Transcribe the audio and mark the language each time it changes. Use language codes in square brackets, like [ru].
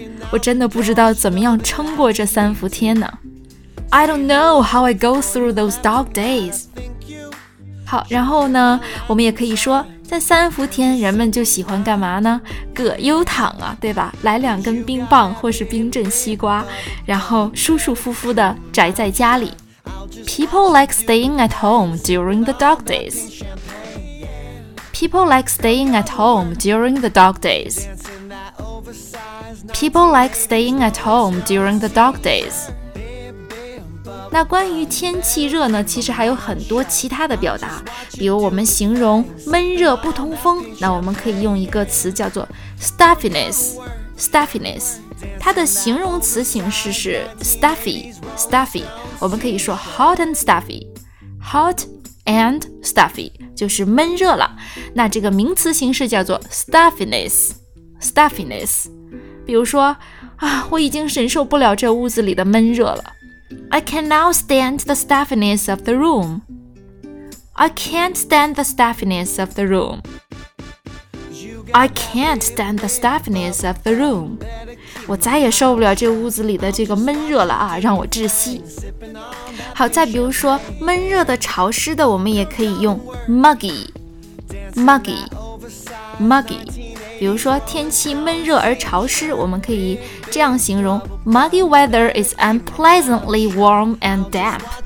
[zh] 我真的不知道怎么样撑过这三伏天呢， [en] I don't know how I go through those dog days。 [zh] 好，然后呢，我们也可以说在三伏天人们就喜欢干嘛呢，葛优躺啊，对吧，来两根冰棒或是冰镇西瓜，然后舒舒服服的宅在家里。 [en] People like staying at home during the dog days, People like staying at home during the dog days, People like staying at home during the dog days。 [zh] 那关于天气热呢，其实还有很多其他的表达，比如我们形容闷热不通风，那我们可以用一个词叫做 stuffiness, stuffiness, 它的形容词形式是 stuffy, stuffy, 我们可以说 [en] hot and stuffy, hot and stuffy, [zh] 就是闷热了，那这个名词形式叫做 stuffiness, stuffiness。比如说啊，我已经忍受不了这屋子里的闷热了， [en] I cannot stand the stuffiness of the room. I can't stand the stuffiness of the room. I can't stand the stuffiness of the room. [zh] 我再也受不了这屋子里的这个闷热了啊，让我窒息。好，再比如说闷热的潮湿的，我们也可以用 muggy, muggy, muggy。比如说天气闷热而潮湿，我们可以这样形容， [en] Muggy weather is unpleasantly warm and damp.